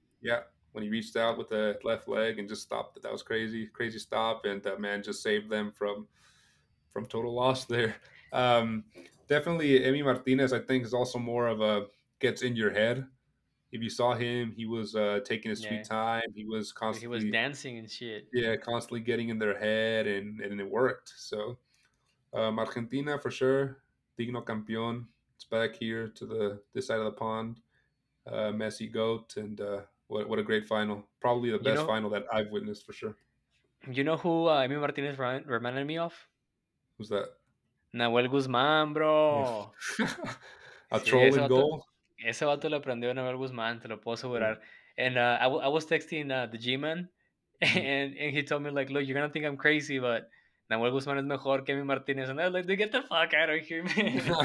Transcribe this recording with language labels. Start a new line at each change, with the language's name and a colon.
English: Yeah, when he reached out with the left leg and just stopped it. That was crazy, crazy stop, and that man just saved them from total loss there. Definitely, Aimé Martínez, I think, is also more of a gets in your head. If you saw him, he was taking his sweet time. He was constantly dancing and shit. Yeah, constantly getting in their head, and it worked. So, Argentina for sure,
Spanish: digno campeón.
English: It's back here to this side of the pond. Messi goat, and what a great final! Probably the best final that I've witnessed for sure. You know who Aimé Martínez reminded me of? Who's that? Nahuel Guzmán, bro. A trolling goal.
Spanish: Ese vato le prendió a Nahuel Guzmán, te lo puedo asegurar.
English: And I was texting the G-man, and he told me, like, look, you're going to think I'm crazy, but Nahuel Guzmán
Spanish: es mejor que Aimé Martínez.
English: And I was like, dude, get the fuck out of here, man.